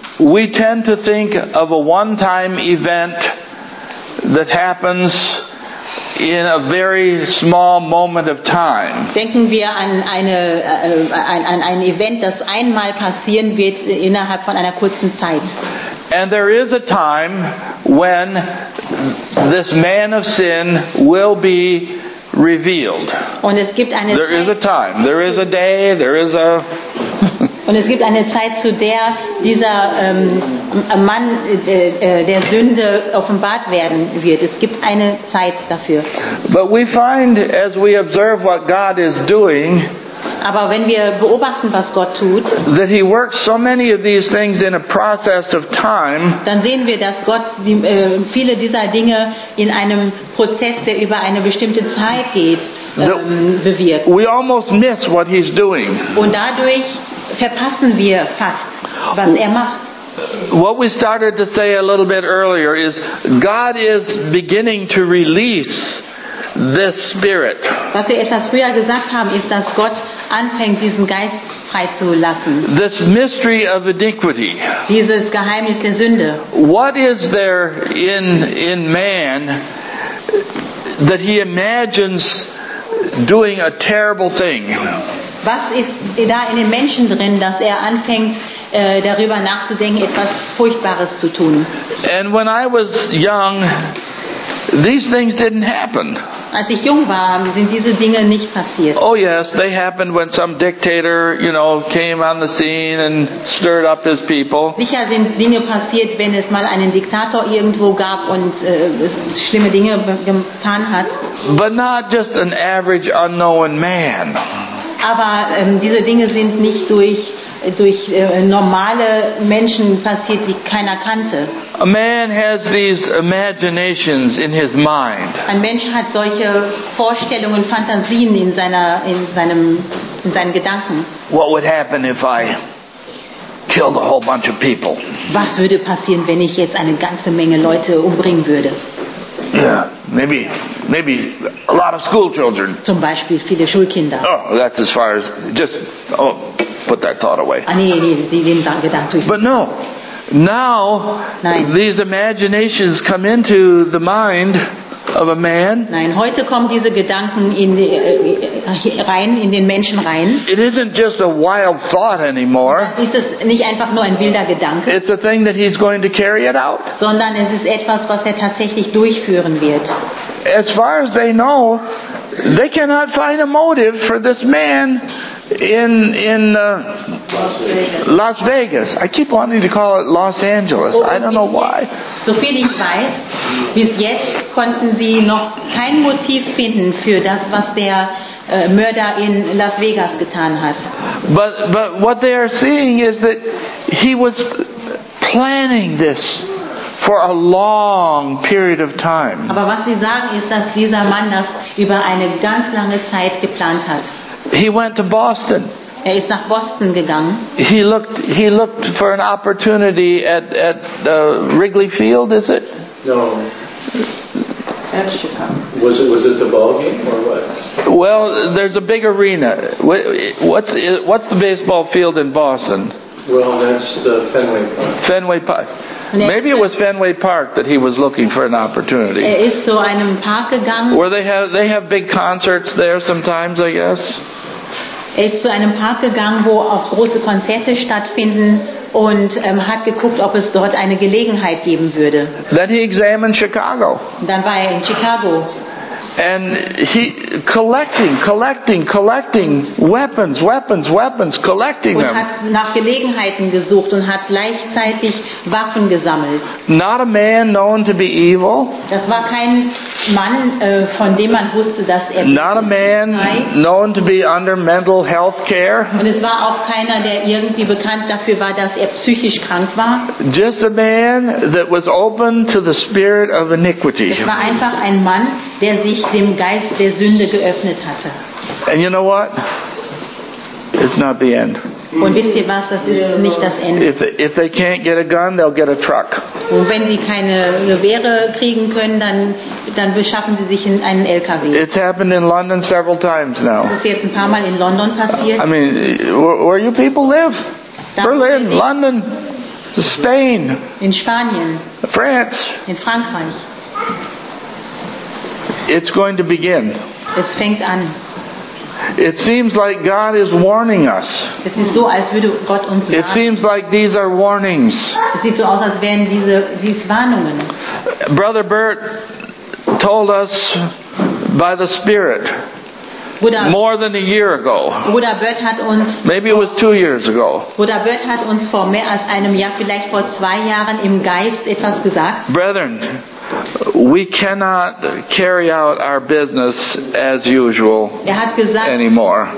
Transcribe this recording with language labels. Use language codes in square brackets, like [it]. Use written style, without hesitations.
[en] We tend to think of a one-time event that happens in a very small moment of time. [de] Denken wir an ein Event, das einmal passieren wird innerhalb von einer kurzen Zeit. [en] And there is a time when this man of sin will be revealed. [de] Und es gibt eine [en] There [de] Zeit, [en] is a time. There is a day. There is a. [de] Und es gibt eine Zeit, zu der dieser Mann der Sünde offenbart werden wird. Es gibt eine Zeit dafür. [en] But we find, as we observe what God is doing, [de] aber wenn wir beobachten, was Gott tut, [en] that he works so many of these things in a process of time, [de] dann sehen wir, dass Gott viele dieser Dinge in einem Prozess, der über eine bestimmte Zeit geht, bewirkt. [en] We almost miss what he's doing. [de] Und dadurch verpassen wir fast, was er macht. [en] What we started to say a little bit earlier is God is beginning to release this spirit. [de] Was wir etwas früher gesagt haben, ist, dass Gott anfängt, diesen Geist freizulassen. [en] This mystery of iniquity. [de] Dieses Geheimnis der Sünde. [en] What is there in man that he imagines doing a terrible thing? [de] Was ist da in den Menschen drin, dass er anfängt, darüber nachzudenken, etwas Furchtbares zu tun? [en] And when I was young, these things didn't happen. [de] Als ich jung war, sind diese Dinge nicht passiert. [en] Oh yes, they happened when some dictator, you know, came on the scene and stirred up his people. [de] Sicher sind Dinge passiert, wenn es mal einen Diktator irgendwo gab und schlimme Dinge getan hat. [en] But not just an average unknown man. [de] Aber diese Dinge sind nicht durch normale Menschen passiert, die keiner kannte. [en] A man has these imaginations in his mind. [de] Ein Mensch hat solche Vorstellungen, Fantasien in seinen Gedanken. [en] What would happen if I killed a whole bunch of people? [de] Was würde passieren, wenn ich jetzt eine ganze Menge Leute umbringen würde? [en] Yeah, maybe a lot of school children. [de] Zum Beispiel viele Schulkinder. [en] Oh, that's as far as just put that thought away. But no. Now, [de] nein, [en] these imaginations come into the mind of a man. [de] Nein, heute kommen diese Gedanken in den Menschen rein. [en] It isn't just a wild thought anymore. [de] Ist es nicht einfach nur ein wilder Gedanke? [en] It's a thing that he's going to carry it out. [de] Sondern es ist etwas, was er tatsächlich durchführen wird. [en] As far as they know, they cannot find a motive for this man in Las Vegas. I keep wanting to call it Los Angeles. I don't know why. [de] So viel ich weiß, bis jetzt konnten sie noch kein Motiv finden für das, was der Mörder in Las Vegas getan hat. [en] But what they are seeing is that he was planning this for a long period of time. [de] Aber was sie sagen ist, dass dieser Mann das über eine ganz lange Zeit geplant hat. [en] He went to Boston. [de] Er ist nach Boston gegangen. [en] He looked for an opportunity at Wrigley Field, is it? No. At Chicago. Was it the ball game or what? Well, there's a big arena. What's the baseball field in Boston? Well, that's the Fenway Park. Fenway Park. Maybe it was Fenway Park that he was looking for an opportunity. [de] Er ist zu einem Park gegangen. [en] Where they have big concerts there sometimes, I guess. [de] Er ist zu einem Park gegangen, wo auch große Konzerte stattfinden, und hat geguckt, ob es dort eine Gelegenheit geben würde. [en] Then he examined Chicago. [de] Dann war er in Chicago. [en] And he collecting weapons, collecting them. [de] Und hat nach Gelegenheiten gesucht und hat gleichzeitig Waffen gesammelt. [en] Not a man known to be evil. [de] Das war kein Mann, von dem man wusste, dass er. [en] Not a man known to be under mental health care. [de] Und es war auch keiner, der irgendwie bekannt dafür war, dass er psychisch krank war. [en] Just a man that was open to the spirit of iniquity. [de] Es war einfach ein Mann, der sich dem Geist der Sünde geöffnet hatte. [en] And you know what? It's not the end. [de] Und wisst ihr was? Das ist nicht das Ende. [en] If they can't get a gun, they'll get a truck. [de] Und wenn sie keine Gewehre kriegen können, dann beschaffen sie sich einen LKW. [en] It's happened in London several times now. [de] Das ist jetzt ein paar Mal in London passiert. [en] I mean, where you people live? Berlin, London, Spain. [de] In Spanien. [en] France. [de] In Frankreich. [en] It's going to begin. [de] Es fängt an. [en] It seems like God is warning us. [de] Es ist so, als würde Gott uns sagen. [en] It seems like these are warnings. [de] Es sieht so aus, als wären diese Warnungen. [en] Brother Bert told us by the Spirit. More than a year ago. [de] Bruder Bert hat uns. [en] Maybe it was 2 years ago. [de] Bruder Bert hat uns vor mehr als einem Jahr, vielleicht vor 2 Jahren im Geist etwas gesagt. [en] Brethren, we cannot carry out our business as usual anymore.